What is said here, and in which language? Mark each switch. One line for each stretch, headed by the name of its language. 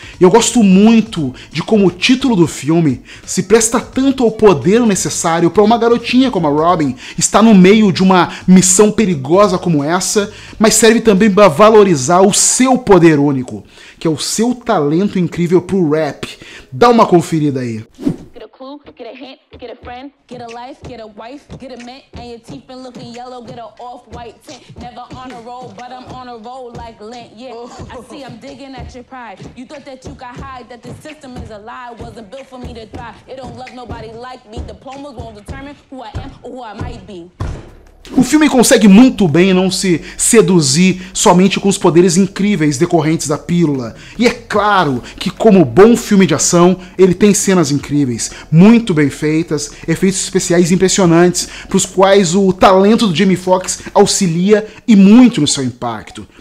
Portuguese: Eu gosto muito de como o título do filme se presta tanto ao poder necessário para uma garotinha como a Robin estar no meio de uma missão perigosa como essa, mas serve também para valorizar o seu poder único, que é o seu talento incrível pro rap. Dá uma conferida aí.
English: Get a hint, get a friend, get a life, get a wife, get a mint, and your teeth been looking yellow, get a off-white tint, never on a roll, but I'm on a roll like Lent, yeah, I see I'm digging at your pride, you thought that you got high, that the system is a lie, wasn't built for me to thrive, it don't love nobody like me, diplomas won't determine who I am or who I might be.
Portuguese: O filme consegue muito bem não se seduzir somente com os poderes incríveis decorrentes da pílula. E é claro que, como bom filme de ação, ele tem cenas incríveis, muito bem feitas, efeitos especiais impressionantes, para os quais o talento do Jamie Foxx auxilia e muito no seu impacto.